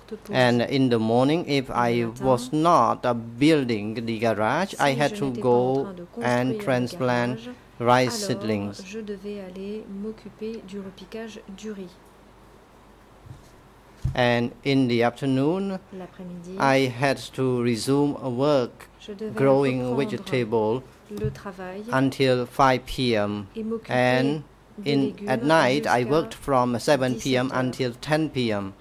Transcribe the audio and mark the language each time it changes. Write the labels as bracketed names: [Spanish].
[English] And in the morning, if I was not building the garage, I had to go and transplant rice seedlings. [French] Je devais aller m'occuper du repiquage du riz. [English] And in the afternoon, I had to resume work growing vegetables until 5 p.m. And at night, I worked from 7 p.m. until 10 p.m.